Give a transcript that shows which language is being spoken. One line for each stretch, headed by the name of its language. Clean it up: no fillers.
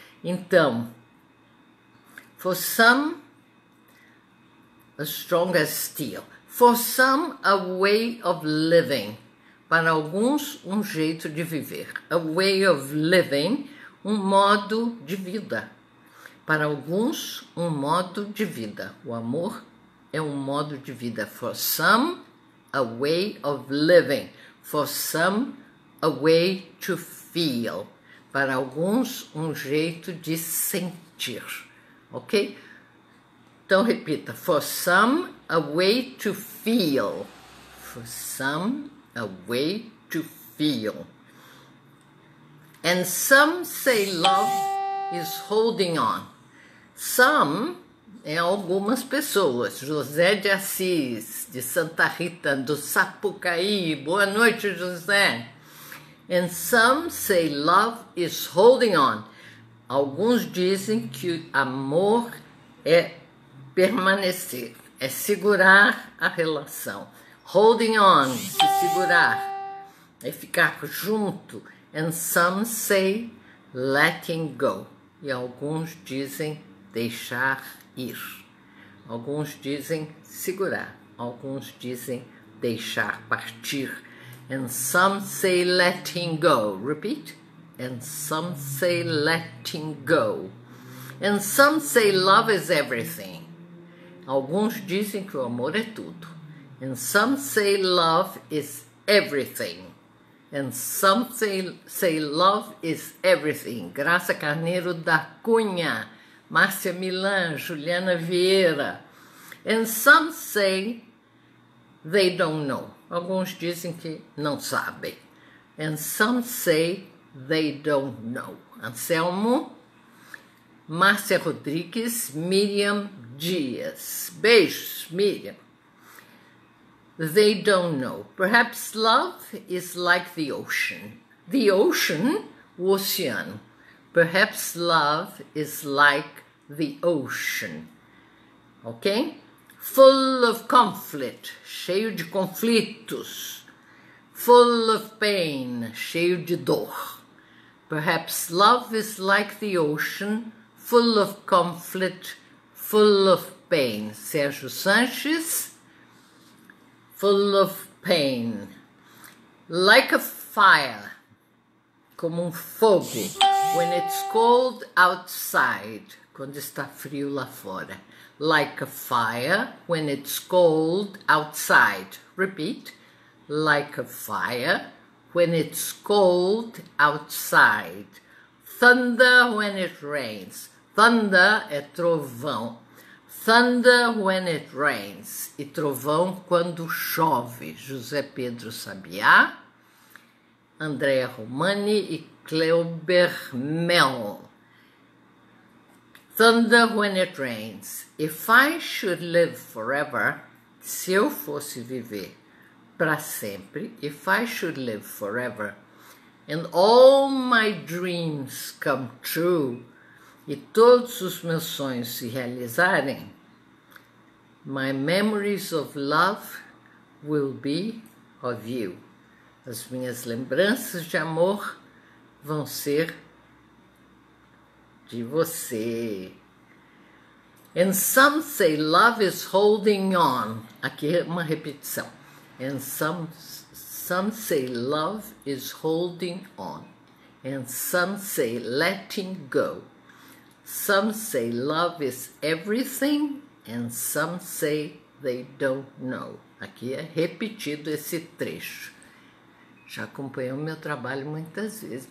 English: Então, for some, a strong as steel. For some, a way of living.
Portuguese: Para alguns, um jeito de viver.
English: A way of living,
Portuguese: um modo de vida. Para alguns, um modo de vida. O amor é um modo de vida.
English: For some, a way of living. For some, a way to feel.
Portuguese: Para alguns, um jeito de sentir.
English: Ok?
Portuguese: Então, repita.
English: For some, a way to feel. For some, a way to feel. And some say love is holding on.
Portuguese: Some é algumas pessoas. José de Assis, de Santa Rita, do Sapucaí. Boa noite, José.
English: And some say love is holding on.
Portuguese: Alguns dizem que amor é permanecer, é segurar a relação. Holding on, se segurar, é ficar junto.
English: And some say letting go.
Portuguese: E alguns dizem deixar ir. Alguns dizem segurar, alguns dizem deixar partir.
English: And some say letting go. Repeat. And some say letting go. And some say love is everything.
Portuguese: Alguns dizem que o amor é tudo.
English: And some say love is everything. And some say love is everything. Graça Carneiro da Cunha, Márcia Milan, Juliana Vieira. And some say they don't know.
Portuguese: Alguns dizem que não sabem.
English: And some say they don't know. Anselmo, Márcia Rodrigues, Miriam Dias. Beijos, Miriam. They don't know. Perhaps love is like the ocean. The ocean,
Portuguese: o oceano.
English: Perhaps love is like the ocean. Ok? Full of conflict,
Portuguese: cheio de conflitos.
English: Full of pain,
Portuguese: cheio de dor.
English: Perhaps love is like the ocean, full of conflict, full of pain. Sérgio Sanches, full of pain. Like a fire,
Portuguese: como fogo.
English: When it's cold outside,
Portuguese: quando está frio lá fora.
English: Like a fire, when it's cold outside. Repeat. Like a fire, when it's cold outside. Thunder when it rains. Thunder
Portuguese: é trovão.
English: Thunder when it rains.
Portuguese: E trovão quando chove. José Pedro Sabiá, Andrea Romani e Cleuber Mel.
English: Thunder when it rains. If I should live forever,
Portuguese: se eu fosse viver para sempre,
English: if I should live forever, and all my dreams come true,
Portuguese: e todos os meus sonhos se realizarem,
English: my memories of love will be of you.
Portuguese: As minhas lembranças de amor vão ser de você.
English: And some say love is holding on.
Portuguese: Aqui é uma repetição.
English: And some say love is holding on. And some say letting go. Some say love is everything. And some say they don't know.
Portuguese: Aqui é repetido esse trecho. Já acompanhou meu trabalho muitas vezes.